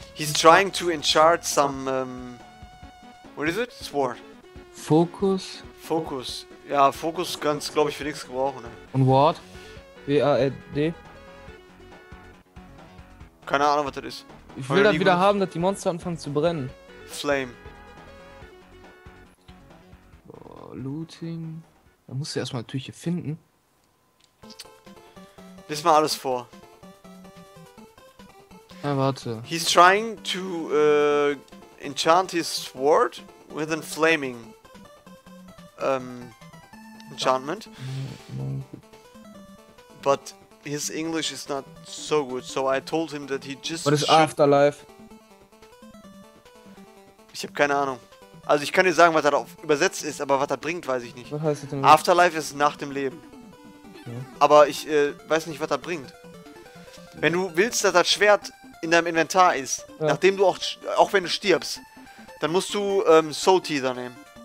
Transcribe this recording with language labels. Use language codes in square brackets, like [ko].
[en] He's trying to enchant some what is it? Sword. Focus? Focus. [de] Ja, Focus kannst glaube ich für nichts gebrauchen. Ne? Und Ward? W-A-R-D? Keine Ahnung, was das ist. Ich will das wieder haben, dass die Monster anfangen zu brennen. [en] Flame. [de] Boah, Looting. Da musst du erstmal natürlich hier finden. Lies mal alles vor. Na, warte. [en] He's trying to enchant his sword with a flaming enchantment. But his English is not so good, so I told him that he just. What is afterlife? [de] Ich habe keine Ahnung. Also ich kann dir sagen, was da übersetzt ist, aber was das bringt, weiß ich nicht. Was heißt das denn? Afterlife ist nach dem Leben. Okay. Aber ich weiß nicht, was das bringt. Wenn du willst, dass das Schwert in deinem Inventar ist, ja. Nachdem du auch wenn du stirbst, dann musst du Soul Teaser nehmen.